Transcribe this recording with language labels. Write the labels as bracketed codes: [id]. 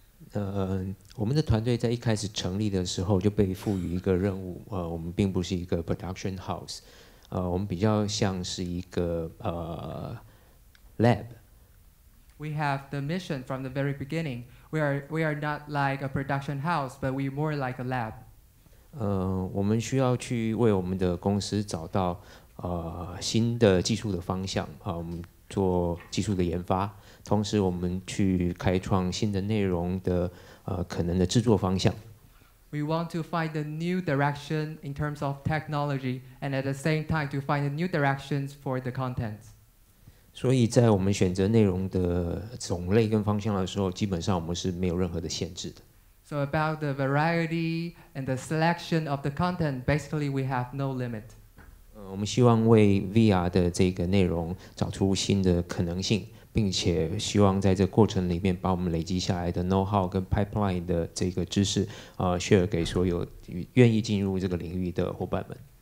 [en] Yeah, [zh] 我们的团队在一开始成立的时候就被赋予一个任务，我们并不是一个 [en] production house， [zh] 我们比较像是一个lab。 [en] We have the mission from the very beginning. We are not like a production house, but we're more like a lab. [zh] 我们需要去为我们的公司找到新的技术的方向，我们做技术的研发，同时我们去开创新的内容的可能的制作方向。 [en] We want to find a new direction in terms of technology, and at the same time to find a new directions for the contents. [zh] 所以在我们选择内容的种类跟方向的时候，基本上我们是没有任何的限制的。 [en] So about the variety and the selection of the content, basically we have no limit. [zh] 我们希望为 VR 的这个内容找出新的可能性，并且希望在这过程里面把我们累积下来的 know-how 跟 pipeline 的这个知识，share 给所有愿意进入这个领域的伙伴们。